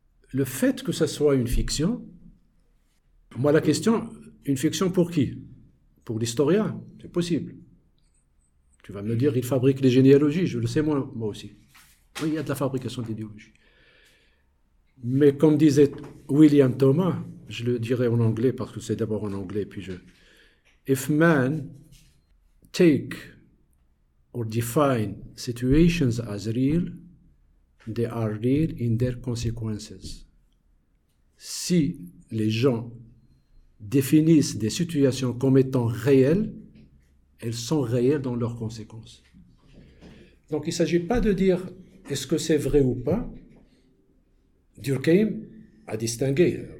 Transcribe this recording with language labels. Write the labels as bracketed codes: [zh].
[fr] Le fait que ça soit une fiction, moi, la question, une fiction pour qui? Pour l'historien, c'est possible. Tu vas me dire, il fabrique les généalogies, je le sais moi aussi. Oui, il y a de la fabrication d'idéologie. Mais comme disait William Thomas, je le dirai en anglais parce que c'est d'abord en anglais, puis je. [en] If man take or define situations as real, they are real in their consequences. [fr] Si les gens définissent des situations comme étant réelles, elles sont réelles dans leurs conséquences. Donc il ne s'agit pas de dire. Est-ce que c'est vrai ou pas? Durkheim a distingué.